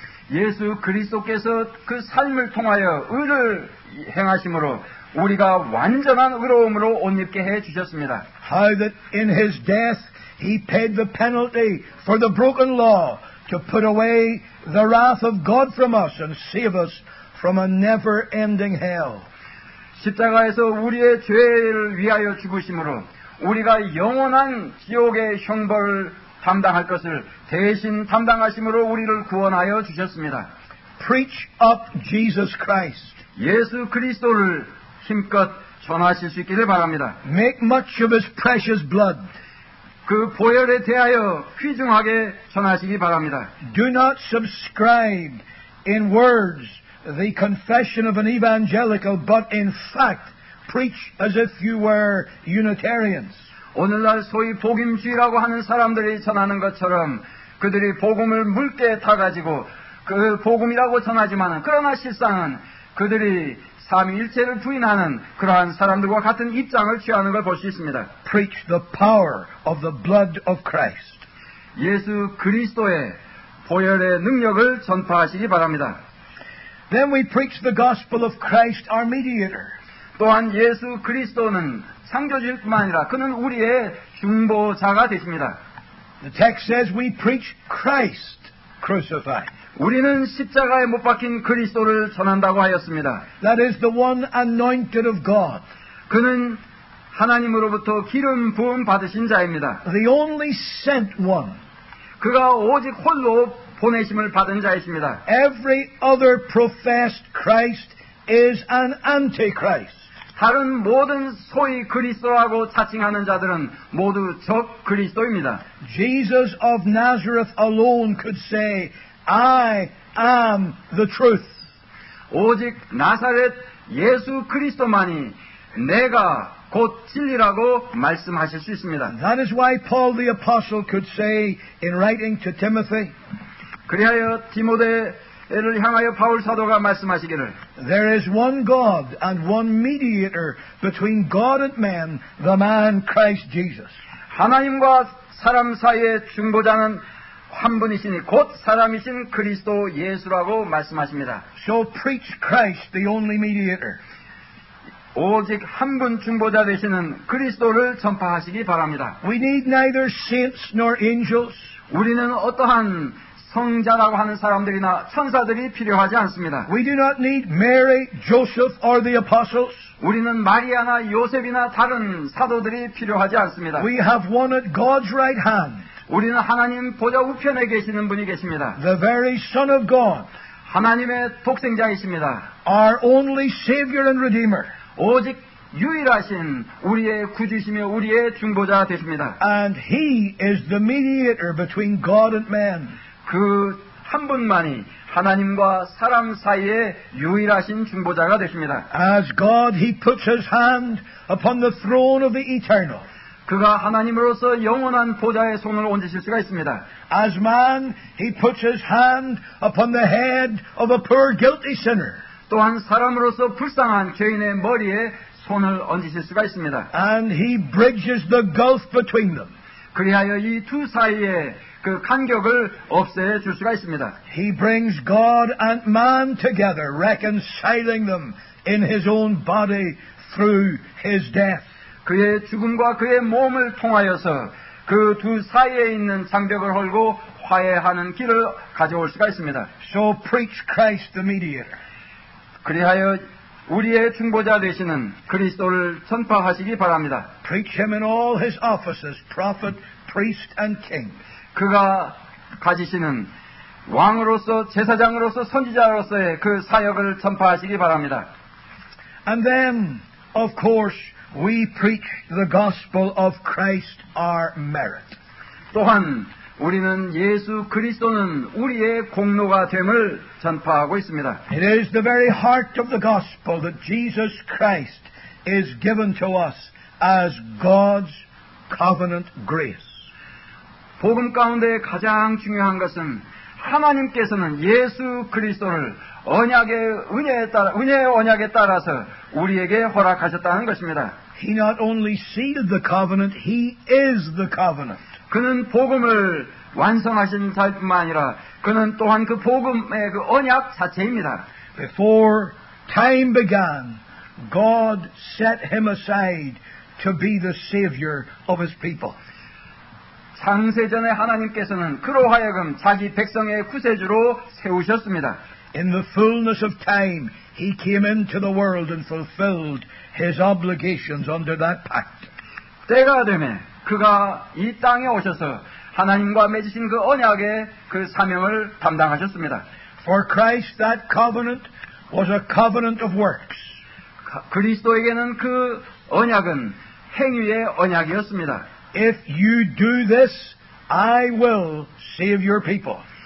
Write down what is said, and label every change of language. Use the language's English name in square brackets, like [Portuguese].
[Korean] 예수 그리스도께서 그 삶을 통하여 의를 행하심으로 우리가 완전한 의로움으로 옷 입게 해 주셨습니다. [English] How that in his death he paid the penalty for the broken law. To put away the wrath of God from us and save us from a never-ending hell. [Korean] 십자가에서 우리의 죄를 위하여 죽으심으로 우리가 영원한 지옥의 형벌을 담당할 것을 대신 담당하심으로 우리를 구원하여 주셨습니다. [English] Preach up Jesus Christ. [Korean] 예수 그리스도를 힘껏 전하실 수 있기를 바랍니다. [English] Make much of His precious blood. [Korean] 그 보혈에 대하여 귀중하게 전하시기 바랍니다. [English] Do not subscribe in words the confession of an evangelical, but in fact preach as if you were Unitarians. [Korean] 오늘날 소위 복음주의라고 하는 사람들이 전하는 것처럼 그들이 복음을 묽게 타가지고 그 복음이라고 전하지만 그러나 실상은 그들이 삼위일체를 부인하는 그러한 사람들과 같은 입장을 취하는 걸 볼 수 있습니다. [English] Preach the power of the blood of Christ. [Korean] 예수 그리스도의 보혈의 능력을 전파하시기 바랍니다. [English] Then we preach the gospel of Christ, our mediator. [Korean] 또한 예수 그리스도는 상조주일 뿐만 아니라 그는 우리의 중보자가 되십니다. [English] The text says we preach Christ crucified. [Korean] 우리는 십자가에 못 박힌 그리스도를 전한다고 하였습니다. [English] That is the one anointed of God. [Korean] 그는 하나님으로부터 기름 부음 받으신 자입니다. [English] The only sent one. [Korean] 그가 오직 홀로 보내심을 받은 자이십니다. [English] Every other professed Christ is an antichrist. [Korean] 다른 모든 소위 그리스도라고 자칭하는 자들은 모두 적 그리스도입니다. [English] Jesus of Nazareth alone could say I am the truth. [Korean] 오직 나사렛 예수 그리스도만이 내가 곧 진리라고 말씀하실 수 있습니다. [English] That is why Paul the apostle could say in writing to Timothy. [Korean] 그리하여 디모데를 향하여 바울 사도가 말씀하시기를 [English] There is one God and one mediator between God and man, the man Christ Jesus. [Korean] 하나님과 사람 사이의 중보자는 한 분이시니 곧 사람이신 그리스도 예수라고 말씀하십니다. [English] So preach Christ, the only mediator. [Korean] 오직 한 분 중보자 되시는 그리스도를 전파하시기 바랍니다. [English] We need neither saints nor angels. [Korean] 우리는 어떠한 성자라고 하는 사람들이나 천사들이 필요하지 않습니다. [English] We do not need Mary, Joseph, or the apostles. [Korean] 우리는 마리아나 요셉이나 다른 사도들이 필요하지 않습니다. [English] We have one at God's right hand. [Korean] 우리는 하나님 보좌 우편에 계시는 분이 계십니다. [English] The very Son of God, [Korean] 하나님의 독생자이십니다. [English] Our only Savior and Redeemer, [Korean] 오직 유일하신 우리의 구주시며 우리의 중보자 되십니다. [English] And He is the mediator between God and man. [Korean] 그 한 분만이 하나님과 사람 사이에 유일하신 중보자가 되십니다. [English] As God, He puts His hand upon the throne of the eternal. [Korean] 그가 하나님으로서 영원한 보좌의 손을 얹으실 수가 있습니다. [English] As man, he puts his hand upon the head of a poor guilty sinner. [Korean] 또한 사람으로서 불쌍한 죄인의 머리에 손을 얹으실 수가 있습니다. [English] And he bridges the gulf between them. [Korean] 그리하여 이 두 사이에 그 간격을 없애 줄 수가 있습니다. [English] He brings God and man together, reconciling them in his own body through his death. [Korean] 그의 죽음과 그의 몸을 통하여서 그 두 사이에 있는 장벽을 헐고 화해하는 길을 가져올 수가 있습니다. [English] So preach Christ the mediator. [Korean] 그리하여 우리의 중보자 되시는 그리스도를 전파하시기 바랍니다. [English] Preach him in all his offices, prophet, priest, and king. [Korean] 그가 가지시는 왕으로서 제사장으로서 선지자로서의 그 사역을 전파하시기 바랍니다. [English] And then, of course, we preach the gospel of Christ our merit. [Korean] 또한 우리는 예수 그리스도는 우리의 공로가 됨을 전파하고 있습니다. [English] It is the very heart of the gospel that Jesus Christ is given to us as God's covenant grace. [Korean] 복음 가운데 가장 중요한 것은 하나님께서는 예수 그리스도를 언약의 은혜에 따라 은혜의 언약에 따라서 우리에게 허락하셨다는 것입니다. [English] He not only sealed the covenant, he is the covenant. [Korean] 그는 복음을 완성하신 자뿐만 아니라 그는 또한 그 복음의 그 언약 자체입니다. [English] Before time began, God set him aside to be the savior of his people. [Korean] 창세 전에 하나님께서는 그로 하여금 자기 백성의 구세주로 세우셨습니다. [English] In the fullness of time, he came into the world and fulfilled his obligations under that pact. [Korean] 때가 되매 그가 이 땅에 오셔서 하나님과 맺으신 그 언약의 그 사명을 담당하셨습니다. [English] For Christ, that covenant was a covenant of works. [Korean] 그리스도에게는 그 언약은 행위의 언약이었습니다. [English] If you do this, I will save your people.